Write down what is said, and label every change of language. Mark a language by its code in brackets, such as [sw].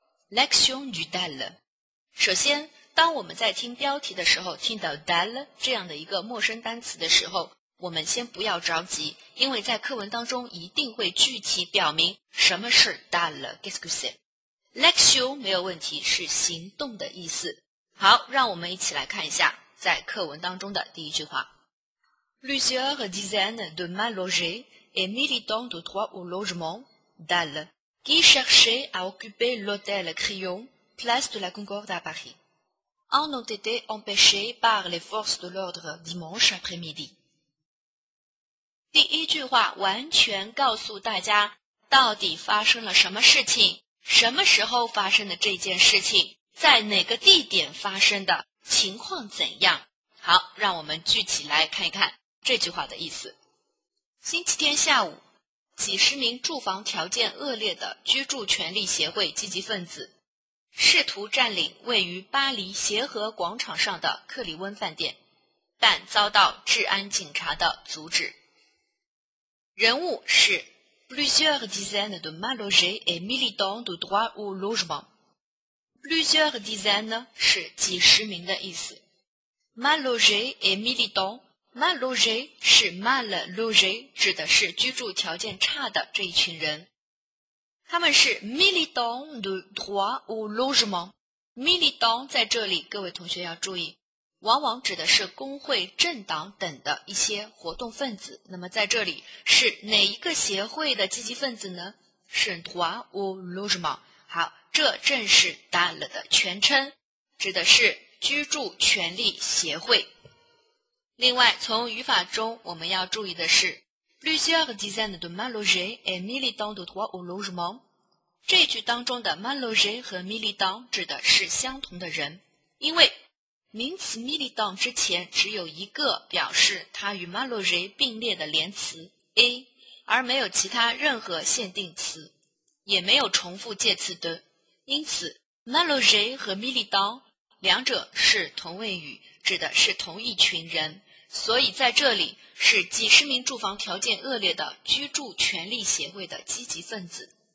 [fr] Lection du DAL。 [zh] 首先，当我们在听标题的时候听到 DAL 这样的一个陌生单词的时候，我们先不要着急，因为在课文当中一定会具体表明什么是 DAL。 [fr] Qu'est-ce que c'est? [zh] Lection 没有问题，是行动的意思。好，让我们一起来看一下在课文当中的第一句话。 [fr] Plusieurs dizaines de mal logés et militants de droit au logement, DAL, qui cherchaient à occuper l'hôtel Crillon, place de la Concorde à Paris, en ont été empêchés par les forces de l'ordre dimanche après-midi. [zh] 第一句话完全告诉大家到底发生了什么事情，什么时候发生的这件事情，在哪个地点发生的，情况怎样。好，让我们具体来看一看这句话的意思。星期天下午，几十名住房条件恶劣的居住权利协会积极分子试图占领位于巴黎协和广场上的克里温饭店，但遭到治安警察的阻止。人物是 [fr] Plusieurs dizaines de mal logés et militants de droit au logement。 Plusieurs dizaines [zh] 是几十名的意思。 [fr] Mal logé et militant, mal logé [zh] 是 mal logé, 指的是居住条件差的这一群人。他们是 [fr] militant de droit au logement。 [zh] Militant 在这里各位同学要注意，往往指的是工会、政党等的一些活动分子。那么在这里是哪一个协会的积极分子呢？是 [fr] droit au logement。 [zh] 好，这正是 DAL 的全称，指的是居住权利协会。另外，从语法中我们要注意的是 [fr] Plusieurs dizaines de mal logés et militants de droit au logement。 [zh] 这句当中的 mal logé 和 militant 指的是相同的人，因为名词 militant 之前只有一个表示它与 mal logé 并列的连词 A, 而没有其他任何限定词，也没有重复介词的，因此 mal logé 和 militant 两者是同位语，指的是同一群人，所以在这里是几十名住房条件恶劣的居住权利协会的积极分子。